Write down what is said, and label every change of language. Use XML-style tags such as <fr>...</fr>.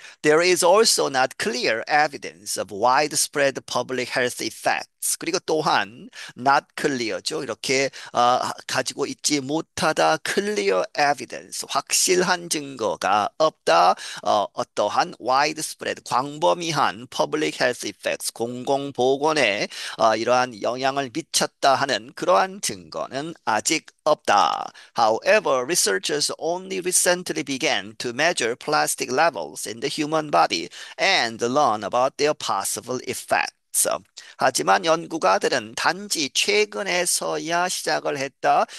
<en>There is also not clear evidence of widespread public health effects.</en> <ko>그리고 또한</ko> <en>not clear</en> <ko>죠. 이렇게 가지고 있지 못하다. Clear evidence. 확실한 증거가 없다. 어떠한 widespread, 광범위한</ko> <en>public health effects,</en> <ko>공공보건에 이러한 영향을 미쳤다 하는 그러한 증거는 아직 없다.</ko> <en>However, researchers only recently began to measure plastic levels in the human body and learn about their possible effects.</en> <ko>하지만 연구가들은 단지 최근에서야 시작을 했다.</ko>